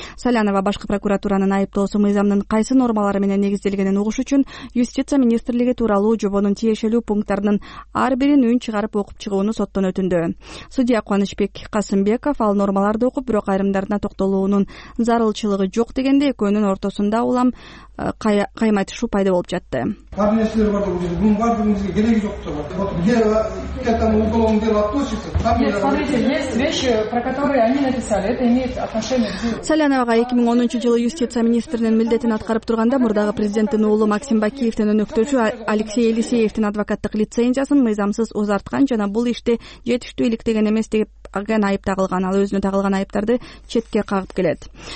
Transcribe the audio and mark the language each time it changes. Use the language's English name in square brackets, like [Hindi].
[Kyrgyz] Салянова башкы прокуратуранын айыптоосу мыйзамдын кайсы нормалары менен негизделгенин угуш үчүн юстиция министрлиги тууралуу жобонун тиешелүү пункттарынын ар бирин үн чыгарып окуп чыгууну соттон өтүндү. Судья Куанычбек Касымбеков ал нормаларды окуп, бирок айрымдарына токтолуунун зарылчылыгы жок дегенде экөөнүн ортосунда улам каймайтышуу пайда болуп жатты. Бар нерселер бар деп жүрөбүз. Мунун бардыгыбызга кереги жок деп жатабыз. [Russian] Вот где уголовный дело относится? Нет, смотрите, есть вещи, про которые они написали. Это имеет отношение к делу. [Kyrgyz] Салянова 2010 жылы юстиция министринин милдетин аткарып турганда мурдагы президенттин уулу Максим Бакиевтин өнөктөшү Алексей Елисеевтин адвокаттык лицензиясын мыйзамсыз узарткан жана бул ишти жетиштүү иликтеген эмес деп аген айып тагылган, ал өзүнө тагылган айыптарды четке кагып келет.